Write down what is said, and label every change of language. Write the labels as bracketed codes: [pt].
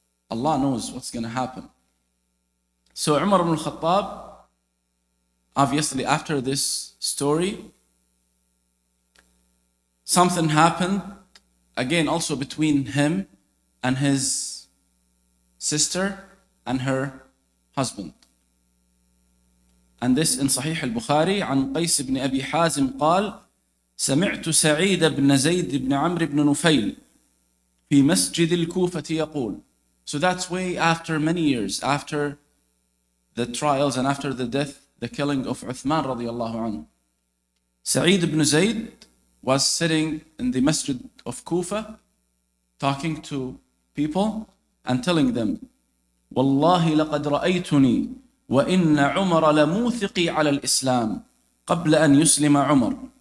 [en] Allah knows what's going to happen. So Umar ibn al-Khattab, obviously after this story, something happened, again also between him and his sister and her husband. And this in Sahih al-Bukhari, [ar] عن قيس بن أبي حازم قال, سمعت سعيد بن زيد بن عمرو بن نفيل في مسجد الكوفة يقول. [en] So that's way after many years, after the trials and after the death, the killing of Uthman radiallahu anhu. Sa'id ibn Zayd was sitting in the masjid of Kufa, talking to people and telling them, [ar] وَاللَّهِ لَقَدْ رَأَيْتُنِي وَإِنَّ عُمَرَ لَمُوثِقِي عَلَى الْإِسْلَامِ قَبْلَ أَنْ يُسْلِمَ عُمَرْ